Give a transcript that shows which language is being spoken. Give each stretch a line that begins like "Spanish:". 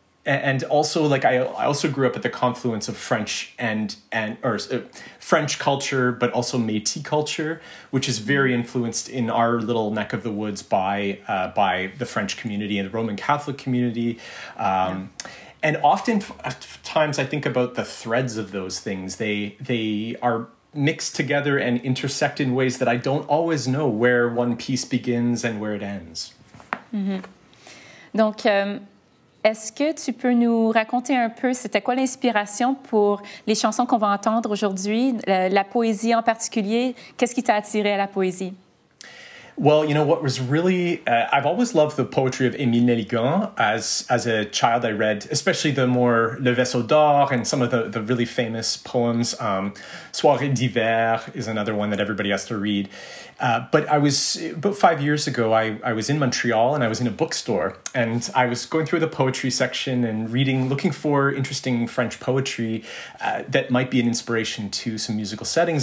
English: And also, like, I also grew up at the confluence of French and or French culture, but also Métis culture, which is very influenced in our little neck of the woods by the French community and the Roman Catholic community. And oftentimes I think about the threads of those things. They are mixed together and intersect in ways that I don't always know where one piece begins and where it ends. Mm-hmm.
French: Donc, est-ce que tu peux nous raconter un peu, c'était quoi l'inspiration pour les chansons qu'on va entendre aujourd'hui, la poésie en particulier, qu'est-ce qui t'a attiré à la poésie?
English: Well, you know, what was really, I've always loved the poetry of Émile Nelligan. As a child, I read especially the more
French: Le Vaisseau d'Or
English: and some of the really famous poems.
French: Soirée d'hiver
English: is another one that everybody has to read. But I was, about 5 years ago, I was in Montreal and I was in a bookstore and I was going through the poetry section and reading, looking for interesting French poetry that might be an inspiration to some musical settings.